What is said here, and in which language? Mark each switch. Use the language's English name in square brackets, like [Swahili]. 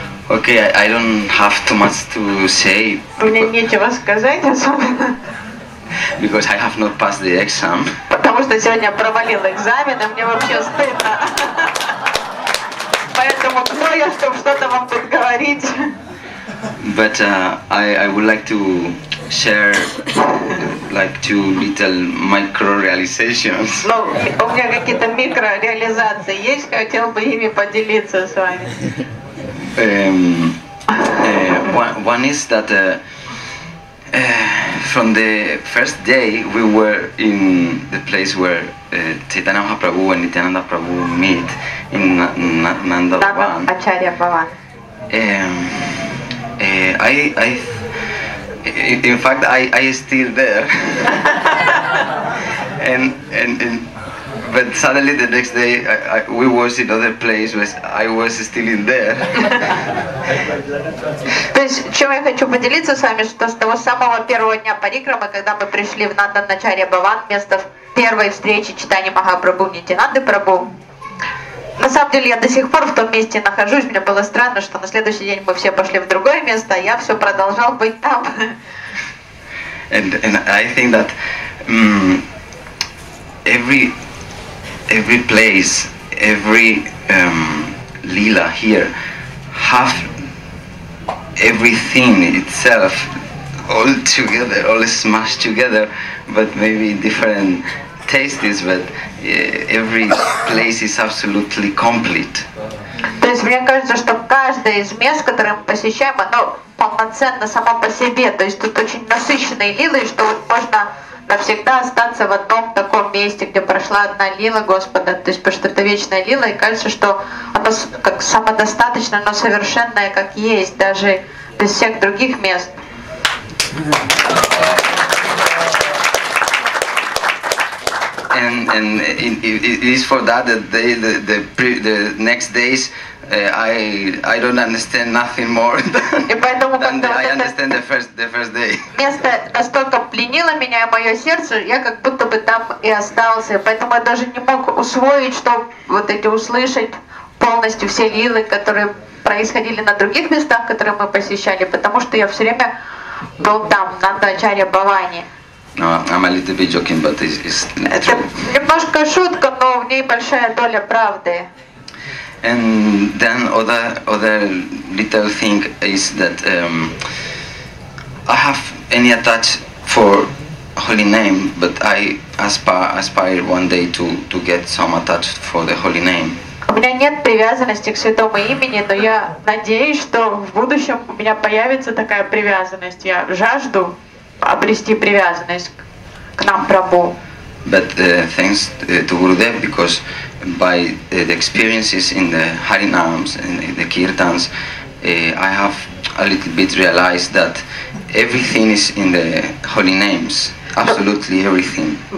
[English] Okay, I don't have too much to say. [Russian] Мне нечего сказать особо. [English] Because I have not passed the exam. [Russian] Потому что сегодня провалил экзамен, и мне вообще стыдно. Поэтому кто я, чтобы что-то вам тут говорить? [English] But I would like to share like two little micro realizations. [Russian] Но у меня какие-то микро реализации есть, хотел бы ими поделиться с вами. [English] One is that from the first day we were in the place where Chaitanya Mahaprabhu and Nityananda Prabhu meet in Nandavan. Acharya Bhavan. In fact I still there. and but suddenly the next day we was in other place, but I was still in there. [Russian] То есть, чем я хочу поделиться с вами, что с того самого первого дня парикрамы, когда мы пришли в Нанданачарья Бхаван, место первой встречи читания Махапрабху Нитянанды Прабху, на самом деле я до сих пор в том месте нахожусь. Мне было странно, что на следующий день мы все пошли в другое место, а я все продолжал быть там. [English] And I think that every place, every lila here have everything itself all together, all smashed together, but maybe different tastes, but every place is absolutely complete. [Russian] То есть мне кажется, что каждое из мест, которые мы посещаем, оно полноценно само по себе. То есть тут очень насыщенные лилы, что вот можно навсегда остаться в одном таком месте, где прошла одна лила Господа. То есть потому что это вечная лила, и кажется, что оно как самодостаточное, оно совершенное, как есть, даже без всех других мест. [English] And it is for that the next days I don't understand nothing more than I understand the first day. [Russian] Место настолько пленило меня и мое сердце, я как будто бы там и остался, поэтому я даже не мог усвоить, что вот эти услышать полностью все лилы, которые происходили на других местах, которые мы посещали, потому что я все время был там на Нандачарья Бхавани. [English] No, I'm a little bit joking, but it's true. [Russian] Это немножко шутка, но в ней большая доля правды. [English] And then other little thing is that I have any attach for holy name, but I aspire one day to get some attach for the holy name. [Russian] У меня нет привязанности к святому имени, но я надеюсь, что в будущем у меня появится такая привязанность. Я жажду обрести привязанность к нам, Прабху. [English] But thanks to Gurudev, because by the experiences in the Harinams and in the Kirtans, I have a little bit realized that everything is in the holy names, absolutely everything.